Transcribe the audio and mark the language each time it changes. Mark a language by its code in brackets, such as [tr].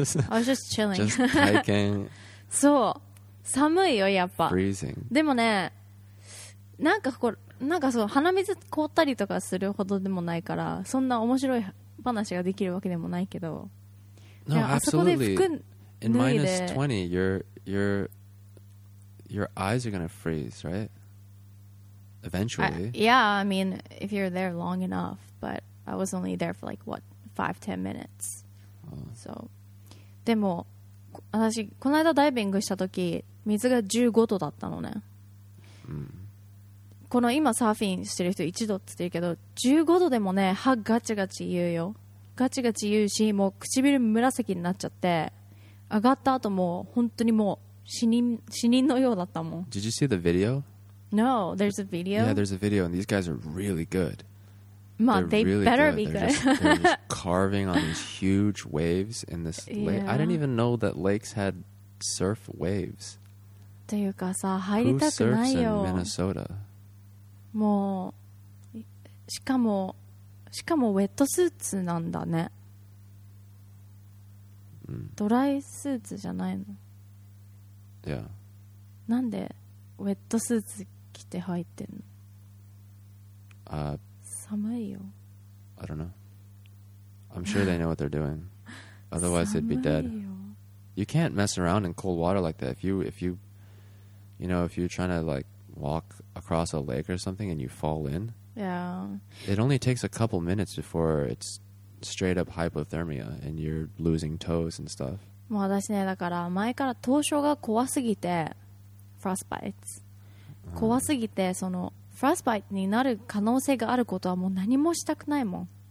[en] I was just chilling. Just 体験。 [ja] そう寒いよやっぱ。 [en] Freezing. [ja] でもねなんかこうなんかそう鼻水凍ったりとかするほどでもないからそんな面白い話ができるわけでもないけど。 [en] No, absolutely. In minus 20, your eyes are going to freeze, right? Eventually. I mean, if you're there long enough, but I was only there for like, what, 5-10 minutes. [ja] So, でも、私、この間ダイビングした時、水が15度だったのね。この今サーフィンしてる人1度って言うけど、15度でもね、歯ガチガチ言うよ。ガチガチ言うし、もう唇紫になっちゃって、上がった後も本当にもう、死人のようだったもん。 [en] Did you see the video? No, there's a video? Yeah, there's a video and these guys are really good. Ma, they really better good. Be good. They're just carving on these huge waves in this lake. Yeah. I didn't even know that lakes had surf waves. [ja] というかさ、入りたくないよ。 [en] Who surfs in Minnesota? [ja] もう、しかもウェットスーツなんだね。ドライスーツじゃないの？ [en] Yeah. [ja] なんでウェットスーツ着て入ってんの？寒いよ。 [en] I don't know. I'm sure they know what they're doing. Otherwise, they'd be dead. You can't mess around in cold water like that. If you're trying to like walk across a lake or something and you fall in, yeah, it only takes a couple minutes before it's straight up hypothermia and you're losing toes and stuff. [ja] もう私ね、だから前から凍傷が怖すぎて、フラスバイツ。怖すぎて、その、フラスバイツになる可能性があることはもう何もしたくないもん。